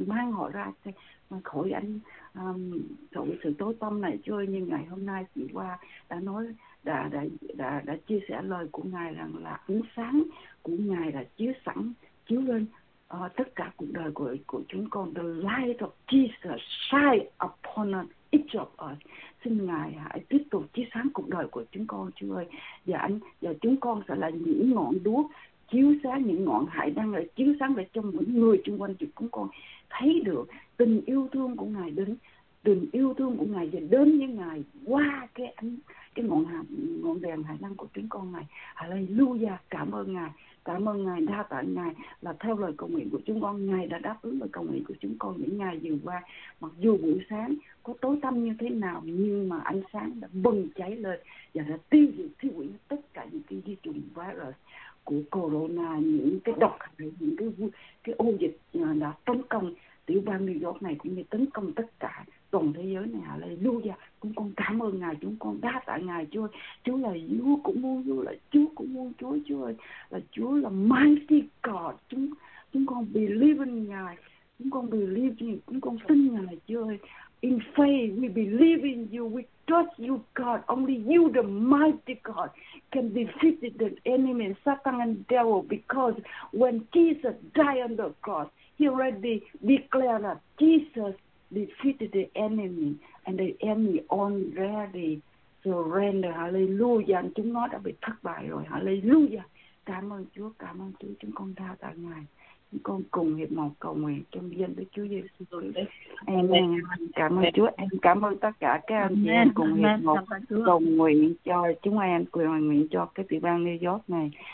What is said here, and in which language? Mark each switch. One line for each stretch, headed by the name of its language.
Vietnamese: Mang họ ra khỏi ánh sự tối tăm này Chúa. Nhưng ngày hôm nay chị qua đã nói, đã chia sẻ lời của Ngài rằng là ánh sáng của Ngài là chiếu sẵn, chiếu lên tất cả cuộc đời của chúng con.
English: The light of Jesus shine upon each of us.
Vietnamese: Xin Ngài hãy tiếp tục chiếu sáng cuộc đời của chúng con Chúa ơi. Và chúng con sẽ là những ngọn đuốc chiếu sáng, những ngọn hải đăng là chiếu sáng để cho mọi người xung quanh chúng con thấy được tình yêu thương của Ngài đến, tình yêu thương của Ngài đến với Ngài qua cái ngọn đèn hải đăng của chúng con này. Hallelujah, cảm ơn Ngài, cảm ơn Ngài, đa tạ Ngài là theo lời cầu nguyện của chúng con, Ngài đã đáp ứng lời cầu nguyện của chúng con những ngày vừa qua. Mặc dù buổi sáng có tối tăm như thế nào nhưng mà ánh sáng đã bừng cháy lên và đã tiêu diệt thiêu hủy tất cả những cái vi trùng virus của corona, những cái độc, những cái ô dịch đã tấn công tiểu bang New York này cũng như tấn công tất cả toàn thế giới này. Hallelujah, chúng con cảm ơn Ngài, chúng con đa tạ Ngài Chúa. Chúa là Vua cũng muôn vua, là Chúa cũng muôn Chúa, Chúa ơi, là Chúa là
English: Mighty God.
Vietnamese: Chúng con
English: believe in
Vietnamese: Ngài, chúng con believe in, chúng con tin Ngài Chúa ơi.
English: In faith we believe in you, we trust you God, only you the mighty God can defeat the enemy Satan and devil, because when Jesus died on the cross he already declared that Jesus defeated the enemy and the enemy already surrendered.
Vietnamese: Hallelujah, chúng nó đã bị thất bại rồi. Hallelujah, cảm ơn Chúa, cảm ơn Chúa. Chúng con đa tạ Ngài, con cùng hiệp một cầu nguyện trong danh Đức Chúa Giêsu. Amen. Cảm ơn Chúa. Em cảm ơn tất cả các anh chị em cùng hiệp một cầu nguyện cho chúng em, cầu nguyện cho cái tiểu bang New York này.